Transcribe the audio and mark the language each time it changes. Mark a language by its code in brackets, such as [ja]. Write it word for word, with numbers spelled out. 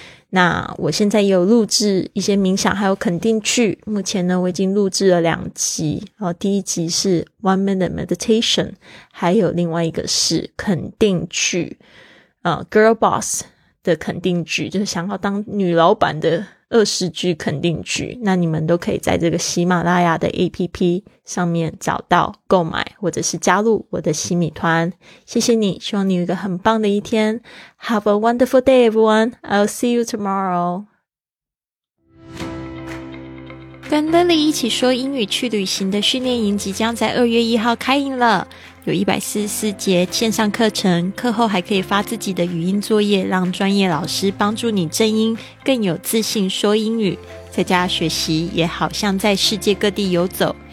[zh] 那我现在也有录制一些冥想还有肯定句，目前呢我已经录制了两集，然后第一集是 one minute meditation， 还有另外一个是肯定句，呃 girl boss 的肯定句，就是想要当女老板的二十句肯定句，那你们都可以在这个喜马拉雅的 A P P 上面找到购买，或者是加入我的喜米团。谢谢你，希望你有一个很棒的一天。 [en] Have a wonderful day everyone, I'll see you tomorrow. [zh] 跟 Lily 一起说英语去旅行的训练营即将在二月一号开营了，有一百四十四节线上课程，课后还可以发自己的语音作业，让专业老师帮助你正音，更有自信说英语，在家学习也好像在世界各地游走。